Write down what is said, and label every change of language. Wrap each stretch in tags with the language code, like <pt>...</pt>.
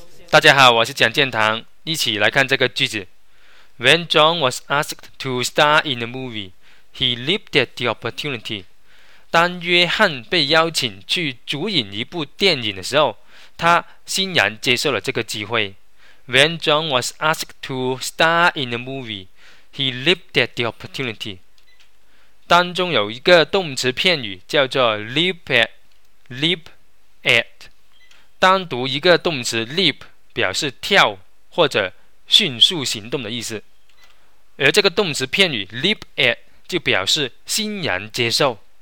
<zh>大家好，我是蒋建堂，一起来看这个句子。</zh> <en>When John was asked to star in a movie, he leaped at the opportunity.</en> <zh>当约翰被邀请去主演一部电影的时候，他欣然接受了这个机会。</zh> <en>When John was asked to star in a movie, he leaped at the opportunity.</en> <zh>当中有一个动词片语叫做 leap at, 单独一个动词 leap 表示跳或者迅速行动的意思，而这个动词片语 leap at 就表示欣然接受。</zh>